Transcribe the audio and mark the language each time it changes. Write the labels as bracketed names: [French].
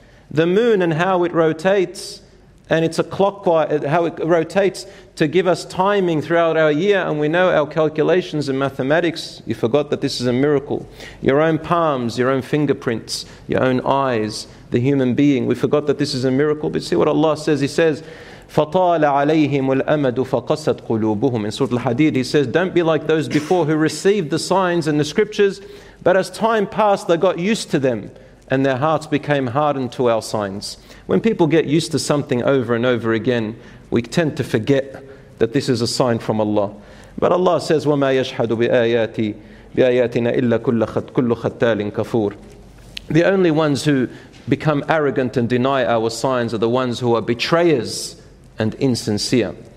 [English] The moon and how it rotates, and it's a clockwise, how it rotates to give us timing throughout our year, and we know our calculations and mathematics, you forgot that this is a miracle. Your own palms, your own fingerprints, your own eyes, the human being, we forgot that this is a miracle. But see what Allah says. He says, [Arabic] فَطَالَ عَلَيْهِمُ الْأَمَدُ فَقَسَتْ قُلُوبُهُمْ. [English] In Surah Al-Hadid, he says, don't be like those before who received the signs and the scriptures, but as time passed, they got used to them, and their hearts became hardened to our signs. When people get used to something over and over again, we tend to forget that this is a sign from Allah. But Allah says, [Arabic] وَمَا يَشْحَدُ بِآيَاتِنَا إِلَّا كُلُّ خَتَّالٍ كَفُورٍ. [English] The only ones who become arrogant and deny our signs are the ones who are betrayers and insincere.